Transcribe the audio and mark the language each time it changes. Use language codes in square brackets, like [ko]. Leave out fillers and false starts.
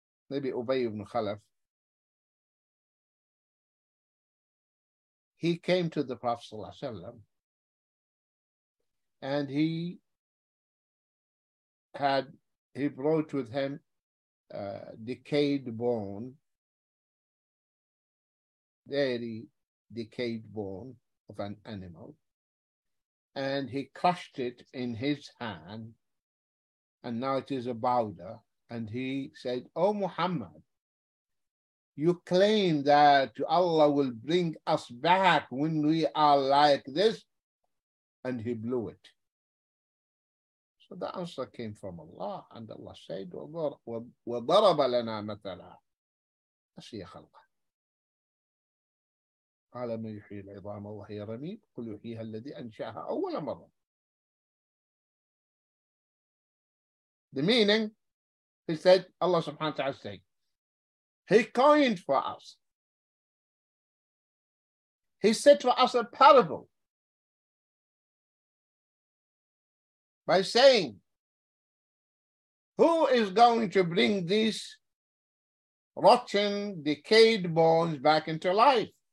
[en] maybe Ubay ibn Khalaf, he came to the Prophet Sallallahu Alaihi Wasallam and he brought with him a decayed bone, very decayed bone of an animal, and he crushed it in his hand, and now it is a powder. And he said, "Oh Muhammad, you claim that Allah will bring us back when we are like this," and he blew it. So the answer came from Allah, and Allah said, [ar] "وَضَرَبَ لَنَا مَثَلًا أَسِيَ خَلْقًا قال من يحيي العظام وهي رميم قل يحييها الذي أنشأها أول مرة. [en] The meaning, he said, Allah subhanahu wa ta'ala said, he coined for us. He said for us a parable by saying, who is going to bring these rotten, decayed bones back into life?